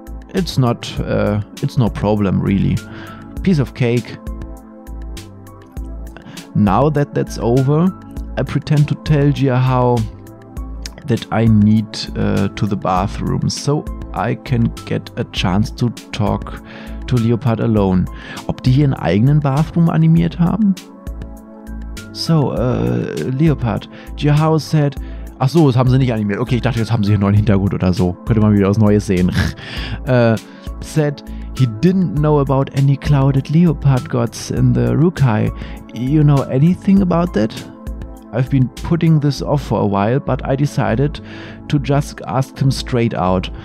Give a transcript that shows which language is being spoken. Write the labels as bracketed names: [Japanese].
[English] It's not, it's no problem, really. Piece of cake. Now that that's over, I pretend to tell Jiahao that I need to the bathroom. So I can get a chance to talk to Leopard alone. [German] Ob die hier einen eigenen Bathroom animiert haben? [English] So, Leopard, Jiahao said... [German] Ach so, das haben sie nicht animiert. Okay, ich dachte, jetzt haben sie hier einen neuen Hintergrund oder so. Könnte man wieder was Neues sehen. [English] said, he didn't know about any clouded leopard gods in the Rukai. You know anything about that? I've been putting this off for a while, but I decided to just ask him straight out.